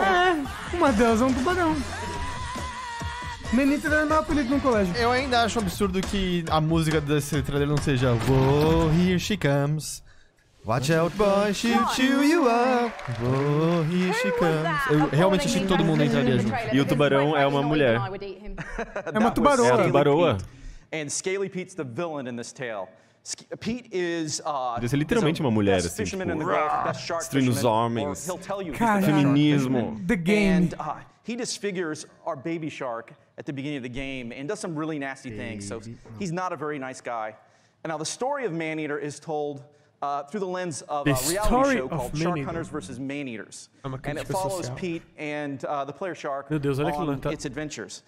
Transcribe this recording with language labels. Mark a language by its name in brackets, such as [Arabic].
[Portuguese] É, uma delas é um tubarão. Menino era o meu apelido no colégio. Eu ainda acho absurdo que a música desse trailer não seja [English] "Whoa, here she comes. Watch out, boy, shoot you, you are. Whoa, here she comes." [Portuguese] Eu realmente achei que todo mundo entraria junto. E o tubarão é uma mulher. É uma tubaroa. É a tubaroa. [English] and Scaly Pete's the villain in this tale. Pete is [Portuguese] deve ser literalmente uma mulher assim, destruindo os homens, feminismo. [English] The game. And, he disfigures our baby shark at the beginning of the game and does some really nasty things. So he's not a very nice guy. And now the story of Maneater is told through the lens of a reality show called Shark Hunters versus Maneaters. And it follows Pete and the player shark on its adventures.